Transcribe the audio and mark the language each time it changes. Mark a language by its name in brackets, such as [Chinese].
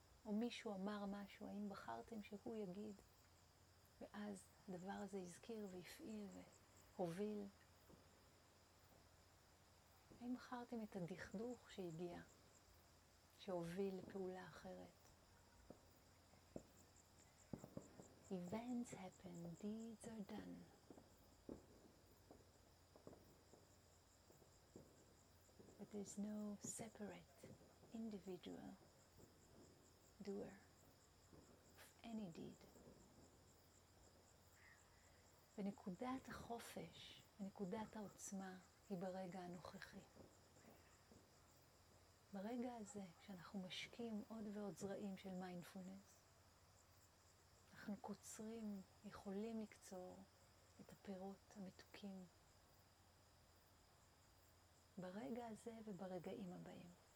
[Hebrew] או מישהו אמר משהו, האם בחרתם שהוא יגיד? ואז הדבר הזה הזכיר והפעיל והוביל. האם בחרתם את הדכדוך שהגיע, שהוביל לפעולה אחרת? [English] Events happen, deeds are done. But there's no separate individual doer of any deed. [Hebrew] ונקודת החופש, ונקודת העוצמה, היא ברגע הנוכחי. ברגע הזה, כשאנחנו משקיעים עוד ועוד זרעים של מיינדפולנס, אנחנו קוצרים, יכולים לקצור את הפירות המתוקים ברגע הזה וברגעים הבאים.